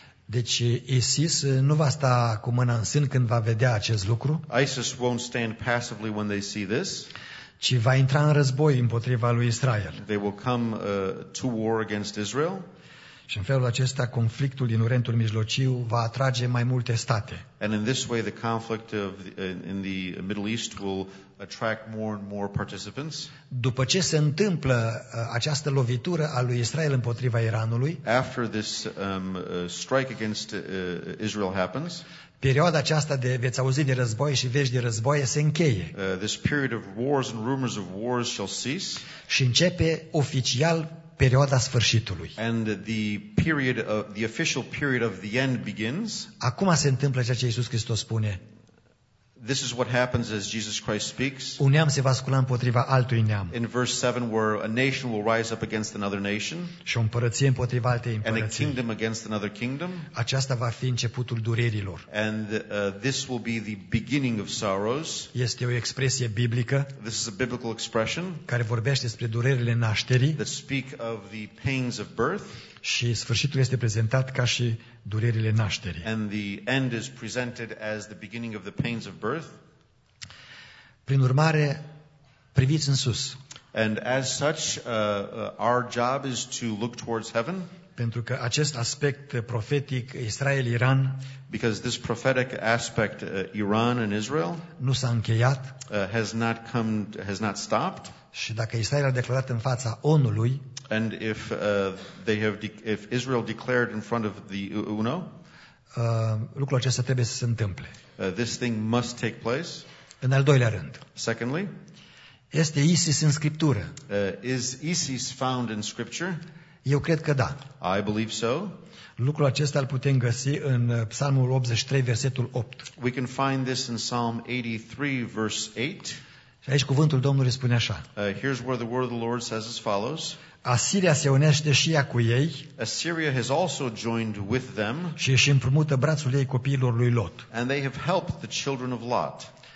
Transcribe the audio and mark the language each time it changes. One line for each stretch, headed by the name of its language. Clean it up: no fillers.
Romanian: Deci ISIS nu va sta cu mâna în sân când va vedea acest lucru.
English: ISIS won't stand passively when they see this.
Romanian: Ci va intra în război împotriva lui Israel.
English: They will come to war against Israel.
Romanian: Și în felul acesta conflictul din Orientul Mijlociu va atrage mai multe state.
English: And in this way the conflict in the Middle East will attract more and more participants.
Romanian: După ce se întâmplă această lovitură a lui Israel împotriva Iranului,
English: after this strike against Israel happens,
Romanian: perioada aceasta de veți auzi de război și vești de război se încheie.
English: This period of wars and rumors of wars shall cease.
Romanian: Și începe oficial perioada sfârșitului.
English: And the official period of the end begins.
Romanian: Acum se întâmplă ceea ce Iisus Hristos spune.
English: This is what happens as Jesus Christ speaks.
Romanian: Un neam se va scula împotriva altui neam.
English: In verse 7, where a nation will rise up against another nation.
Romanian: Și o împărăție împotriva altei împărății.
English: And a kingdom against another kingdom.
Romanian: Aceasta va fi începutul durerilor.
English: And this will be the beginning of sorrows.
Romanian: Este o expresie biblică.
English: This is a biblical expression.
Romanian: Care vorbește despre durerile nașterii.
English: That speak of the pains of birth.
Romanian: Și sfârșitul este prezentat ca și durerile nașterii.
English: And the end is presented as the beginning of the pains of birth.
Romanian: Prin urmare, priviți în sus.
English: And as such, our job is to look towards heaven.
Romanian: Pentru că acest aspect profetic Israel-Iran,
English: because this prophetic aspect Iran and Israel,
Romanian: nu s-a încheiat,
English: has not stopped.
Romanian: Și dacă Israel a declarat în fața ONU-lui,
English: and if they have if Israel declared in front of the UNO,
Romanian: lucrul acesta trebuie să se întâmple.
English: This thing must take place.
Romanian: În al doilea rând.
English: Secondly,
Romanian: este ISIS în scriptură?
English: Is ISIS found in scripture?
Romanian: Eu cred că da.
English: I believe so.
Romanian: Lucrul acesta îl putem găsi în Psalmul 83, versetul 8.
English: We can find this in Psalm 83, verse 8.
Romanian: Și aici cuvântul Domnului spune așa.
English: Here's where the word of the Lord says as follows.
Romanian: Asiria se unește și ea cu ei.
English: Assyria has also joined with them.
Romanian: Și își împrumută brațul ei copiilor lui Lot.
English: And they have helped the children of Lot.